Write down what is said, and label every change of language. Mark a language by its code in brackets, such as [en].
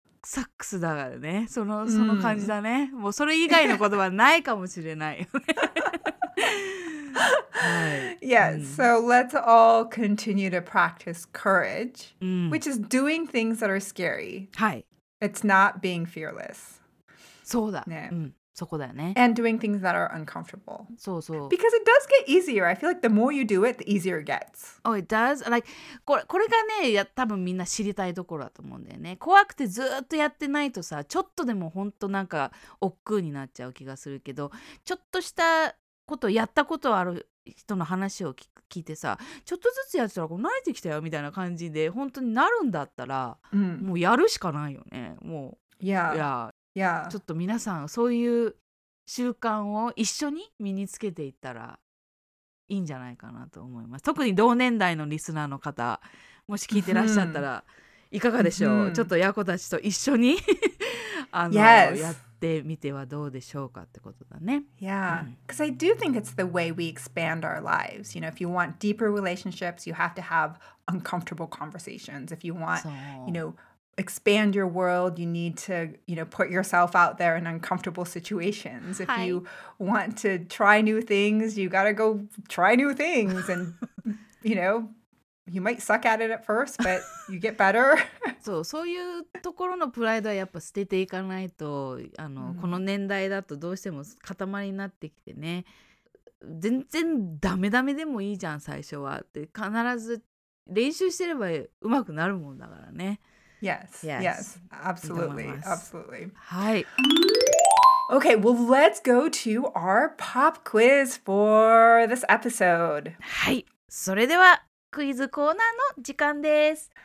[ja] サックスだからね、その感じだね、うん、もうそれ以外の言葉ないかもしれない [en] はい、yeah,、うん、so let's all continue to practice courage,、うん、which is doing things that are scary. [ja] はい。 [en] It's not being fearless. [ja] そうだ。ね。うん、そこだよね。 [en] And doing things that are uncomfortable. [ja] そうそう。 [en] Because it does get easier. I feel like the more you do it, the easier it gets. Oh, it does? [ja] Like, これがね、多分みんな知りたいところだと思うんだよね。怖くてずっとやってないとさ、ちょっとでも本当なんか億劫になっちゃう気がするけど、ちょっとしたことやったことある人の話を聞いてさ、ちょっとずつやってたらこう慣れてきたよみたいな感じで本当になるんだったら、うん、もうやるしかないよね。もう、 [en] yeah. [ja] いや、 [en] yeah. [ja] ちょっと皆さんそういう習慣を一緒に身につけていったらいいんじゃないかなと思います。特に同年代のリスナーの方、もし聞いてらっしゃったらいかがでしょう、うん、ちょっとヤコたちと一緒に [en] Yes. [ja] やってみてはどうでしょうかってことだね。 [en] Yeah, because、うん、I do think it's the way we expand our lives. You know, if you want deeper relationships, you have to have uncomfortable conversations. If you want, you know, expand your world, you need to, you know, put yourself out there in uncomfortable situations. If、はい、you want to try new things, you gotta go try new things. And, you know, you might suck at it at first, but you get better. [ja] そう、そういうところのプライドはやっぱ捨てていかないと、あの、mm-hmm. この年代だとどうしても塊になってきてね、全然ダメダメでもいいじゃん最初はって、必ず練習してれば上手くなるもんだからね。 [en] Yes, yes, yes. Absolutely, absolutely. [ja] はい。 [en] Okay, well, let's go to our pop quiz for this episode. [ja] はい、それではクイズコーナーの時間です。